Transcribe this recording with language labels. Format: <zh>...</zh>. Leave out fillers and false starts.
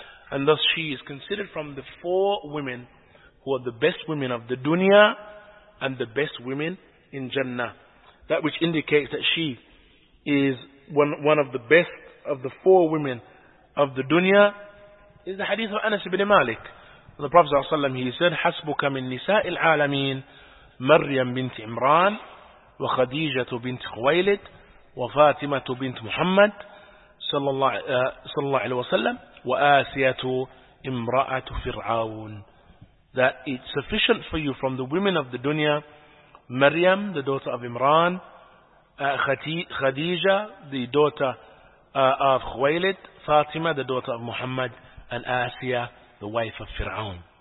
<en>And thus she is considered from the four women who are the best women of the dunya and the best women in Jannah. That which indicates that she is one of the best of the four women of the dunya is the hadith of Anas ibn Malik. The Prophet ﷺ, he said,</en> <ar>حَسْبُكَ مِنْ نِسَاءِ الْعَالَمِينَ مَرْيَمْ بِنْتِ عِمْرَانِ وَخَدِيجَةُ بِنْتِ خُوَيْلِدِ وَفَاتِمَةُ بِنْتِ مُحَمَّدِ صلى الله عليه وسلم وَآسِيَةُ إِمْرَأَةُ فِرْعَوْنِ.</ar> <en>That it's sufficient for you from the women of the dunya, Maryam, the daughter of Imran, Khadija, the daughter of Khuwaylid, Fatima, the daughter of Muhammad, and Asiya, the wife of Fir'aun.</en>